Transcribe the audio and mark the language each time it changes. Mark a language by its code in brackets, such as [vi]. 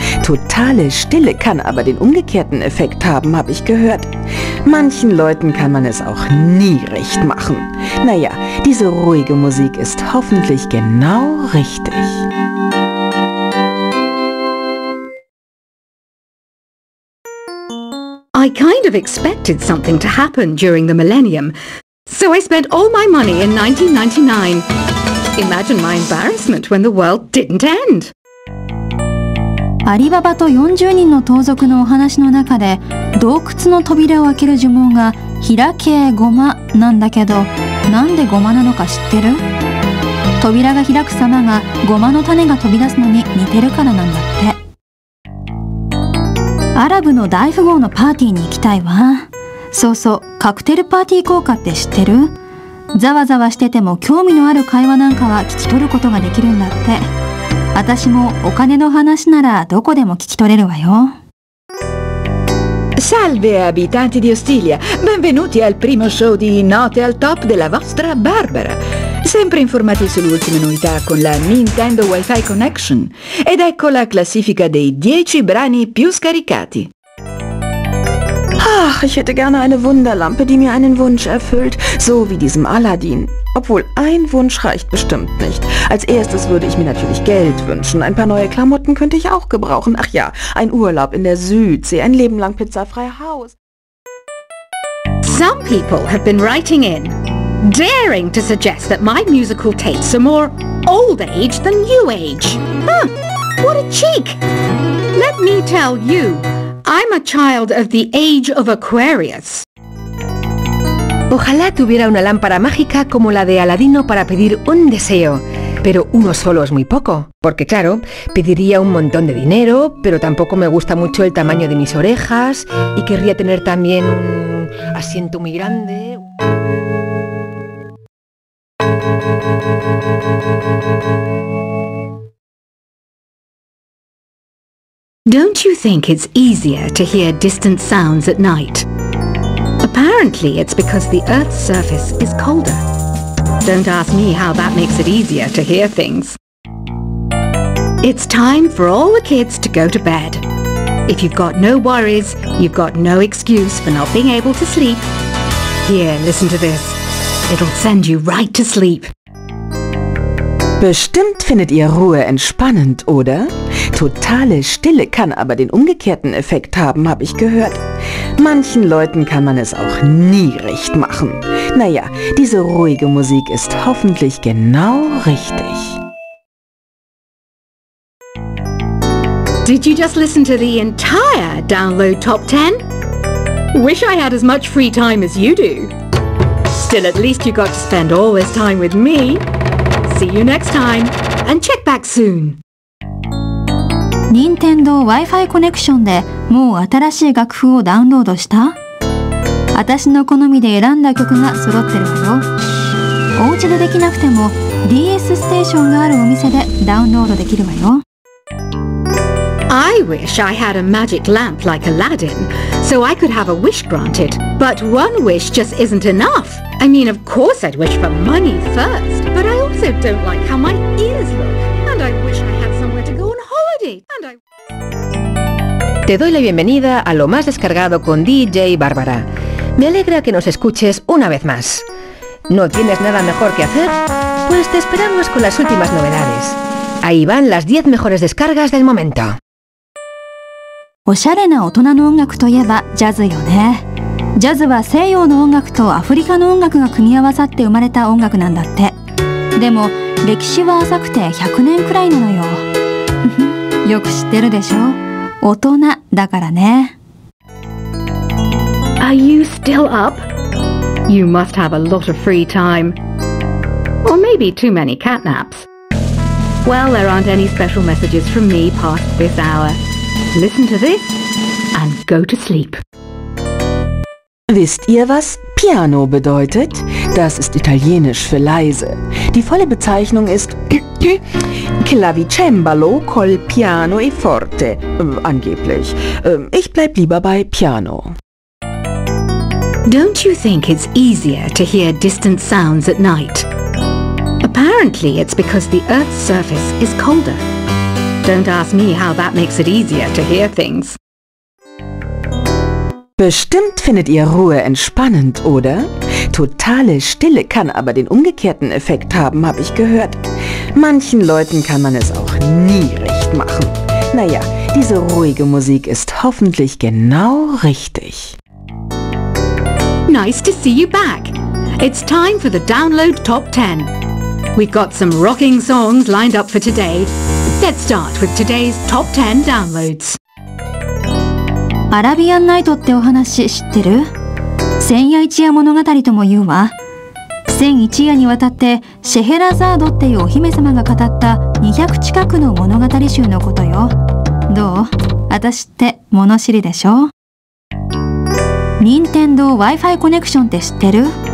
[de] Totale Stille kann aber den umgekehrten Effekt haben, habe ich gehört. Manchen Leuten kann man es auch nie recht machen. Naja, diese ruhige Musik ist hoffentlich genau richtig. [en] I kind of expected something to happen during the millennium, so I spent all my money in 1999. Imagine my embarrassment when the world didn't end. [ja] アリババと40人の盗賊のお話の中で、洞窟の扉を開ける呪文が開けごまなんだけど、なんでごまなのか知ってる？扉が開く様がごまの種が飛び出すのに似てるからなんだって。アラブの大富豪のパーティーに行きたいわ。そうそう、カクテルパーティー効果って知ってる？ざわざわしてても興味のある会話なんかは聞き取ることができるんだって。私もお金の話ならどこでも聞き取れるわよ。 [it] Salve abitanti di Ostiglia. Benvenuti al primo show di Note al Top della vostra Barbara. Sempre informati sull'ultima novità con la Nintendo Wi-Fi Connection. Ed ecco la classifica dei 10 brani più scaricati. [de] Ach, ich hätte gerne eine Wunderlampe, die mir einen Wunsch erfüllt, so wie diesem Aladdin. Obwohl, ein Wunsch reicht bestimmt nicht. Als erstes würde ich mir natürlich Geld wünschen. Ein paar neue Klamotten könnte ich auch gebrauchen. Ach ja, ein Urlaub in der Südsee, ein Leben lang pizzafrei Haus. [en] Some people have been writing in. daring to suggest that my musical tastes are more old age than new age. Huh, what a cheek! Let me tell you, I'm a child of the age of Aquarius. [es] Ojalá tuviera una lámpara mágica como la de Aladino para pedir un deseo. Pero uno solo es muy poco. Porque claro, pediría un montón de dinero, pero tampoco me gusta mucho el tamaño de mis orejas y querría tener también un asiento muy grande. [en] Don't you think it's easier to hear distant sounds at night? Apparently, it's because the Earth's surface is colder. Don't ask me how that makes it easier to hear things. It's time for all the kids to go to bed. If you've got no worries, you've got no excuse for not being able to sleep. Here, listen to this. It'll send you right to sleep. [de] Bestimmt findet ihr Ruhe entspannend, oder? Totale Stille kann aber den umgekehrten Effekt haben, habe ich gehört. Manchen Leuten kann man es auch nie recht machen. Naja, diese ruhige Musik ist hoffentlich genau richtig. [en] Did you just listen to the entire Download Top 10? Wish I had as much free time as you do. Still, at least you got to spend all this time with me. See you next time and check back soon. [ja] Nintendo Wi-Fi コネクションでもう新しい楽譜をダウンロードした？私の好みで選んだ曲が揃ってるわよ。お家でできなくても DS ステーションがあるお店でダウンロードできるわよ。 [en] I wish I had a magic lamp like Aladdin, so I could have a wish granted. But one wish just isn't enough. I mean, of course I'd wish for money first, but I also don't like how my ears look. And I wish I had somewhere to go on holiday. And I... [es] Te doy la bienvenida a lo más descargado con DJ Bárbara. Me alegra que nos escuches una vez más. ¿No tienes nada mejor que hacer? Pues te esperamos con las últimas novedades. Ahí van las 10 mejores descargas del momento. [ja] おしゃれな大人の音楽といえばジャズよね。ジャズは西洋の音楽とアフリカの音楽が組み合わさって生まれた音楽なんだって。でも歴史は浅くて100年くらいなのよ。よく知ってるでしょ。大人だからね。 [en] Are you still up? You must have a lot of free time. Or maybe too many catnaps. Well, there aren't any special messages from me past this hour. Listen to this and go to sleep. [de] Wisst ihr, was Piano bedeutet? Das ist Italienisch für leise. Die volle Bezeichnung ist [it] Clavicembalo col piano e forte, [de] angeblich. Ich bleib lieber bei Piano. [en] Don't you think it's easier to hear distant sounds at night? Apparently it's because the Earth's surface is colder. Don't ask me how that makes it easier to hear things. [de] Bestimmt findet ihr Ruhe entspannend, oder? Totale Stille kann aber den umgekehrten Effekt haben, habe ich gehört. Manchen Leuten kann man es auch nie recht machen. Naja, diese ruhige Musik ist hoffentlich genau richtig. [en] Nice to see you back. It's time for the Download Top 10. We've got some rocking songs lined up for today. Let's start with today's top 10 downloads. [ja] アラビアンナイトってお話知ってる？千夜一夜物語とも言うわ。千一夜にわたってシェヘラザードっていうお姫様が語った200近くの物語集のことよ。どう？私って物知りでしょ？任天堂 Wi-Fi コネクションって知ってる？